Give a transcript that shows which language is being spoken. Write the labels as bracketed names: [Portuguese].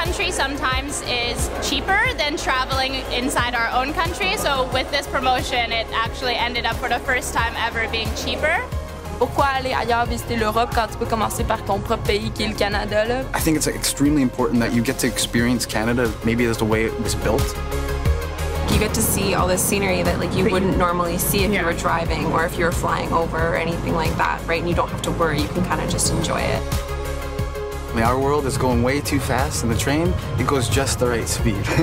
[English] sometimes is cheaper than traveling inside our own country. So with this promotion, it actually ended up for the first time ever being cheaper. [French] Pourquoi aller ailleurs visiter l'Europe quand tu peux commencer par ton propre pays qui est le Canada là? [English] I think it's extremely important that you get to experience Canada. Maybe that's the way it was built. You get to see all this scenery that like you wouldn't normally see if you were driving or if you were flying over or anything like that, right? And you don't have to worry, you can kind of just enjoy it. Our world is going way too fast, and the train, it goes just the right speed.